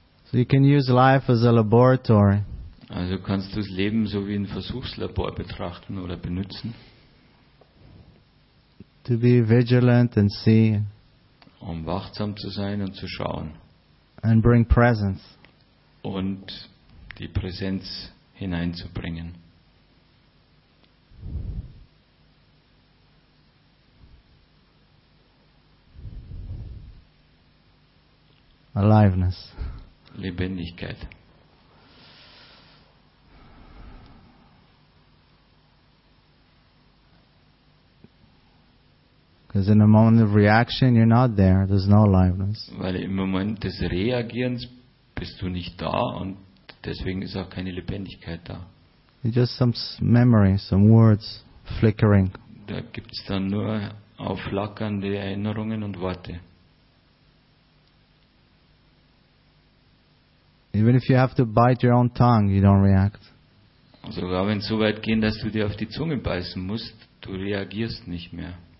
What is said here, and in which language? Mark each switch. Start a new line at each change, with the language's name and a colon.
English: So you can use life as a laboratory.
German: Also kannst du das Leben so wie ein Versuchslabor betrachten oder benutzen.
English: To be vigilant and see.
German: Um wachsam zu sein und zu schauen.
English: And bring presence.
German: Und die Präsenz hineinzubringen.
English: Aliveness.
German: Lebendigkeit.
English: Because in a moment of reaction, you're not there. There's no aliveness.
German: Weil im Moment des Reagierens bist du nicht da und deswegen ist auch keine Lebendigkeit da.
English: It's just some memory, some words flickering.
German: Da gibt's dann nur aufflackernde Erinnerungen und Worte.
English: Even if you have to bite your own tongue, you don't react.
German: Sogar wenn es so weit geht, dass du dir auf die Zunge beißen musst, du reagierst nicht mehr.